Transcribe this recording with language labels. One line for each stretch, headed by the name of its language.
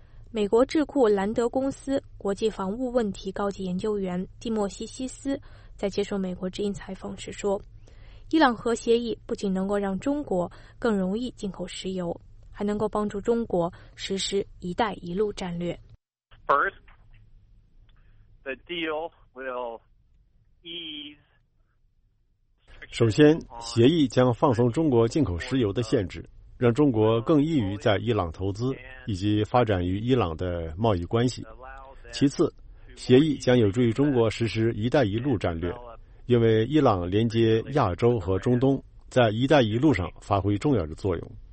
Chinese: 美国智库兰德公司国际防务问题高级研究员蒂莫西·西斯在接受美国之音采访时说，伊朗核协议不仅能够让中国更容易进口石油，还能够帮助中国实施一带一路战略。
English: First, the deal will ease.
Chinese: 首先，协议将放松中国进口石油的限制，让中国更易于在伊朗投资以及发展与伊朗的贸易关系。其次，协议将有助于中国实施一带一路战略，因为伊朗连接亚洲和中东，在一带一路上发挥重要的作用。